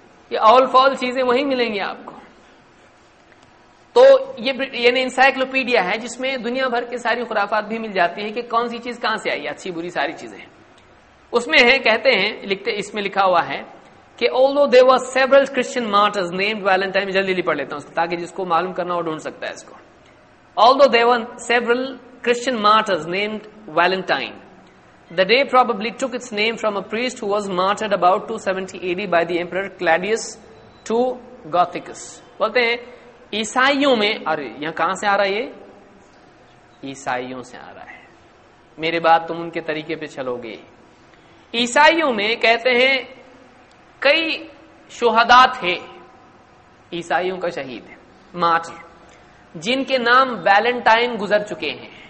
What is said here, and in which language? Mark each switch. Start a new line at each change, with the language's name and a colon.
Urdu: یہ آل فال چیزیں وہیں ملیں گی آپ کو. تو یہ یعنی انسائکلوپیڈیا ہے جس میں دنیا بھر کی ساری خرافات بھی مل جاتی ہیں کہ کون سی چیز کہاں سے آئی، اچھی بری ساری چیزیں اس میں ہیں. کہتے ہیں لکھتے اس میں لکھا ہوا ہے کہ
English: although there were several Christian martyrs named Valentine,
Urdu: میں جلدی پڑھ لیتا ہوں تاکہ جس کو معلوم کرنا ہو ڈھونڈ سکتا ہے اس کو.
English: Although there were several Christian martyrs named Valentine, the day probably took its name from a priest who was martyred about 270 AD by the emperor Claudius II Gothicus.
Urdu: بولتے ہیں عیسائیوں میں، ارے یہاں کہاں سے آ رہا ہے؟ عیسائیوں سے آ رہا ہے، میرے بعد تم ان کے طریقے پہ چلو گے. عیسائیوں میں کہتے ہیں کئی شہداء تھے، عیسائیوں کا شہید مارٹر، جن کے نام ویلنٹائن گزر چکے ہیں.